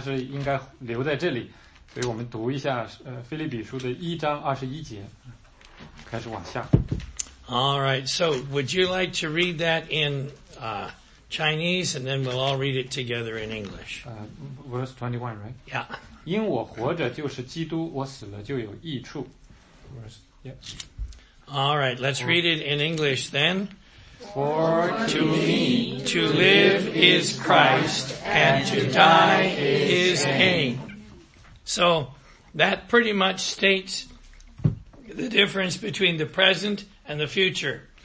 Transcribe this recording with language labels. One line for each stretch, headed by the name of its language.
Chinese: 所以我们读一下菲利比书的1章21节,开始往下。
English: Alright, so would you like to read that in Chinese and then we'll all read it together in English? Verse 21, right? Yeah.
Chinese: 因我活着就是基督,我死了就有益处。
English: All right, let's read it in English then. For to me to live is Christ, and to die is gain. So that pretty much states the difference between the present and the future.